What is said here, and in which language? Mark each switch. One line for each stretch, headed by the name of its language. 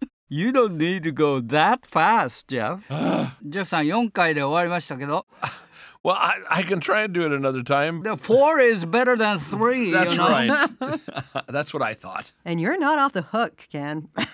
English: You don't need to go that fast, Jeff.
Japanese: Jeff さん、4回で終わりましたけど。
English: Well, I can try and do it another time. The four is better than three. That's you know? right. That's what I thought. And you're not off the hook, Ken.